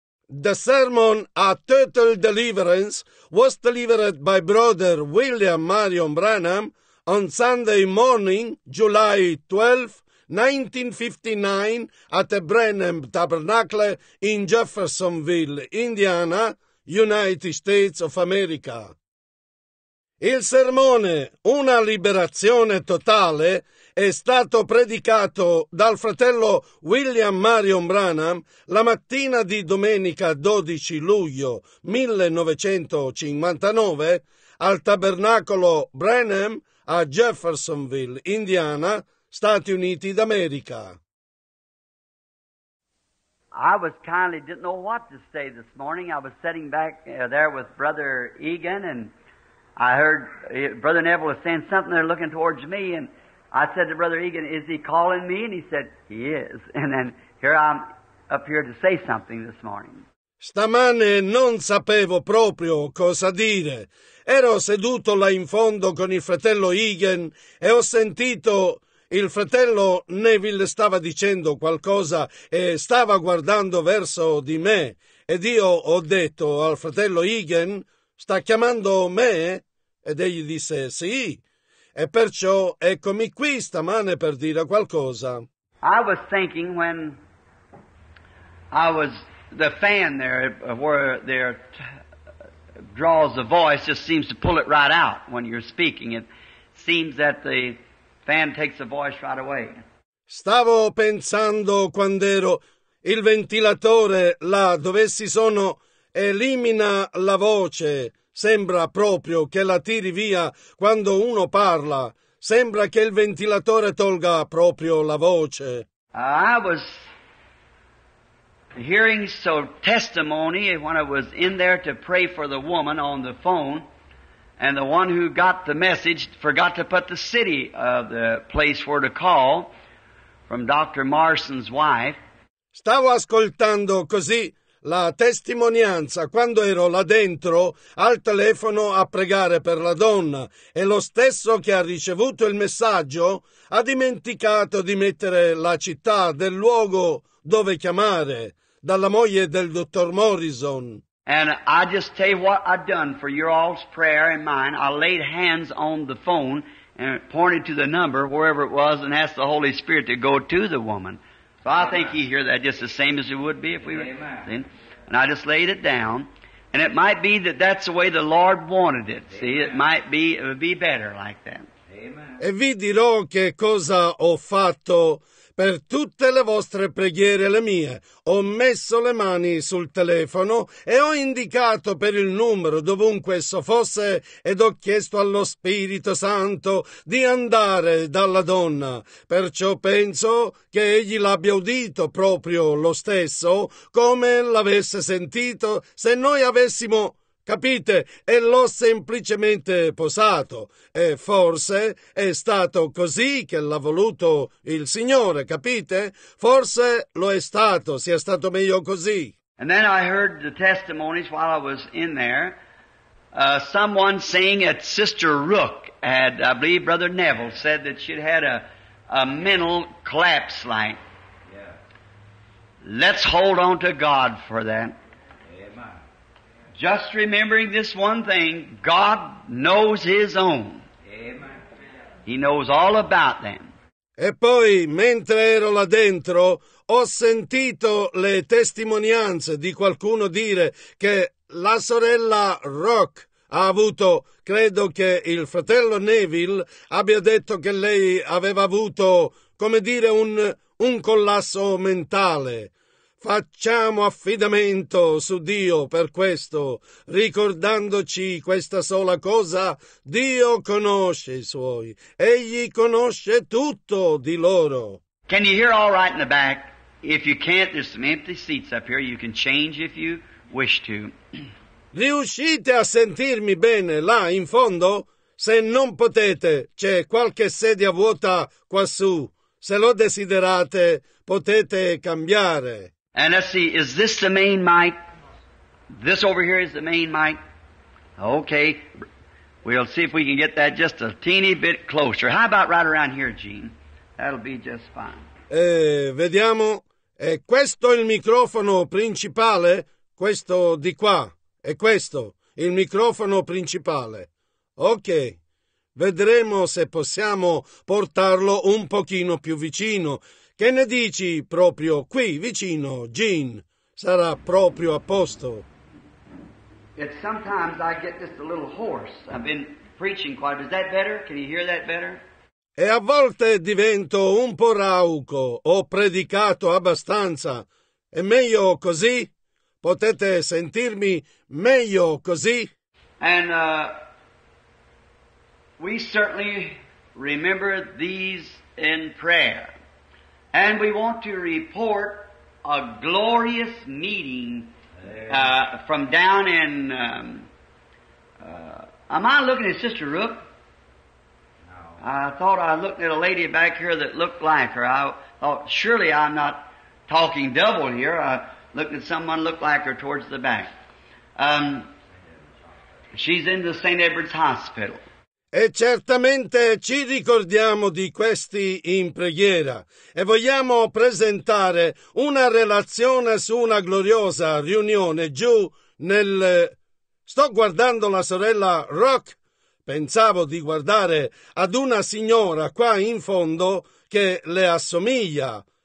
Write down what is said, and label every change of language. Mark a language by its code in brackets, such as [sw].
[en] The sermon A Total Deliverance was delivered by Brother William Marion Branham on Sunday morning, July 12, 1959, at the Branham Tabernacle in Jeffersonville, Indiana, United States of America. [it] Il sermone Una liberazione totale è stato predicato dal fratello William Marion Branham la mattina di domenica 12 luglio 1959 al Tabernacolo Branham a Jeffersonville, Indiana, Stati Uniti d'America. [en] I was kindly didn't know what to say this morning. I was sitting back there with Brother Egan and I heard Brother Neville was saying something there looking towards me, and I said to Brother Egan, is he calling me? And he said, he is. And then here I'm up here to say something this morning. [it] Stamane non sapevo proprio cosa dire. Ero seduto là in fondo con il fratello Egan e ho sentito il fratello Neville stava dicendo qualcosa e stava guardando verso di me. Ed io ho detto al fratello Egan, sta chiamando me? Ed egli disse, sì. E perciò eccomi qui stamane per dire qualcosa. [en] I was thinking when I was the fan there where there draws the voice just seems to pull it right out when you're speaking. It seems that the fan takes the voice right away. [it] Stavo pensando quando ero il ventilatore là dove si sono elimina la voce. Sembra proprio che la tiri via quando uno parla. Sembra che il ventilatore tolga proprio la voce. [en] I was hearing some testimony when I was in there to pray for the woman on the phone, and the one who got the message forgot to put the city of the place where to call from Dr. Marson's wife. [it] Stavo ascoltando così la testimonianza quando ero là dentro al telefono a pregare per la donna e lo stesso che ha ricevuto il messaggio ha dimenticato di mettere la città del luogo dove chiamare dalla moglie del dottor Morrison. [en] And I just tell you what I've done for your all's prayer and mine. I laid hands on the phone and pointed to the number wherever it was and asked the Holy Spirit to go to the woman. So I think he hear that just the same as it would be if we were. And I just laid it down. And it might be that that's the way the Lord wanted it. See, it might be, it would be better like that. [it] E vi dirò che cosa ho fatto per tutte le vostre preghiere le mie. Ho messo le mani sul telefono e ho indicato per il numero dovunque esso fosse ed ho chiesto allo Spirito Santo di andare dalla donna. Perciò penso che egli l'abbia udito proprio lo stesso come l'avesse sentito se noi avessimo, capite, e l'ho semplicemente posato. E forse è stato così che l'ha voluto il Signore, capite? Forse lo è stato, sia stato meglio così. [en] And then I heard the testimonies while I was in there. Someone saying that Sister Rook had, I believe Brother Neville, said that she'd had a mental collapse like. Let's hold on to God for that. Just remembering this one thing, God knows His own. He knows all about them. [it] E poi, mentre ero là dentro, ho sentito le testimonianze di qualcuno dire che la sorella Rock ha avuto, credo che il fratello Neville abbia detto che lei aveva avuto, come dire, un collasso mentale. Facciamo affidamento su Dio per questo, ricordandoci questa sola cosa, Dio conosce i suoi, egli conosce tutto di loro. [en] Can you hear all right in the back? If you can't, there's some empty seats up here, you can change if you wish to. [it] Riuscite a sentirmi bene là in fondo? Se non potete, c'è qualche sedia vuota quassù. Se lo desiderate, potete cambiare. [en] And let's see, is this the main mic? This over here is the main mic? Okay, we'll see if we can get that just a teeny bit closer. How about right around here, Gene? That'll be just fine. [it] Vediamo, è questo il microfono principale? questo di qua, e questo, il microfono principale. Ok, vedremo se possiamo portarlo un pochino più vicino. Che ne dici proprio qui vicino, Gene? Sarà proprio a posto. [en] It's sometimes I get just a little hoarse. I've been preaching quite. Is that better? Can you hear that better? [it] E a volte divento un po' rauco. Ho predicato abbastanza. È meglio così? Potete sentirmi meglio così? [en] And we certainly remember these in prayer. And we want to report a glorious meeting from down in... am I looking at Sister Rook? No. I thought I looked at a lady back here that looked like her. I thought, surely I'm not talking double here. I looked at someone looked like her towards the back. She's in the St. Edward's Hospital. [it] E certamente ci ricordiamo di questi in preghiera e vogliamo presentare una relazione su una gloriosa riunione giù nel... Sto guardando la sorella Rock. Pensavo di guardare ad una signora qua in fondo che le assomiglia.